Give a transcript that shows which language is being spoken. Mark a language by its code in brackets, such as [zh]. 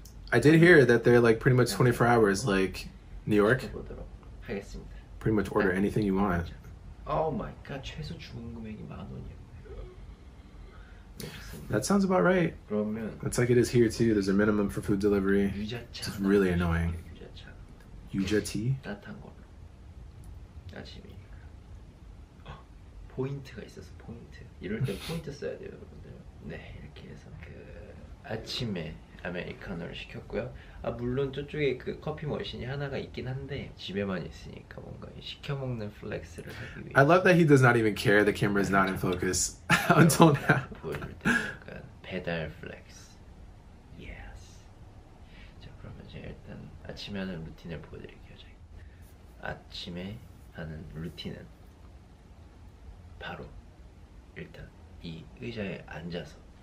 [en] I did hear that they're like pretty much 24 hours like New York. [ko] 보도록 하겠습니다. [en] Pretty much order anything you want. Oh my god, [ko] 최소 주문 금액이 만 원이요. [en] That sounds about right. It's like it is here too. There's a minimum for food delivery. It's really annoying. Yuja tea? [ko] 따뜻한 걸로. 아침이니까. 포인트가 있어서 포인트. 이럴 때 포인트 써야 돼요, 여러분들. 네, 이렇게 해서 그 아침에 아메리카노를 시켰고요. 아 물론 저쪽에 그 커피 머신이 하나가 있긴 한데 집에만 있으니까 뭔가 시켜 먹는 플렉스를 하기 위해. [en] I love that he does not even care. The camera is not in focus until now. [ko] 보여줄 테니까 배달 플렉스. [en] Yes. [ko] 자 그러면 제가 일단 아침에 하는 루틴을 보여드릴게요. 아침에 하는 루틴은 바로 일단 이 의자에 앉아서.